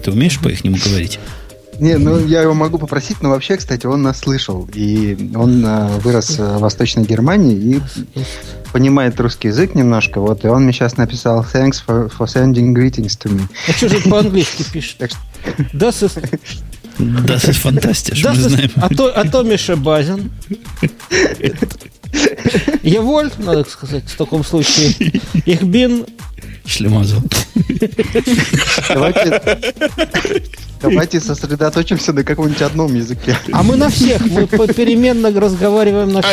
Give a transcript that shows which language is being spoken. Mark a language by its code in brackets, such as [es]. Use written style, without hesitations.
[ru] Ты умеешь по их нему говорить? Не, ну я его могу попросить, но вообще, кстати, он нас слышал. И он вырос в Восточной Германии и понимает русский язык немножко. Вот, и он мне сейчас написал [en] «Thanks for sending greetings to me». [ru] А что же это по-английски пишет? [de] Das ist... Das ist fantastisch, [ru] мы знаем. А то Миша Базин. Я вольт, надо сказать, в таком случае. [de] Ich bin... [ru] Шлемазл. Давайте сосредоточимся на каком-нибудь одном языке. А мы на всех, мы попеременно разговариваем на всех.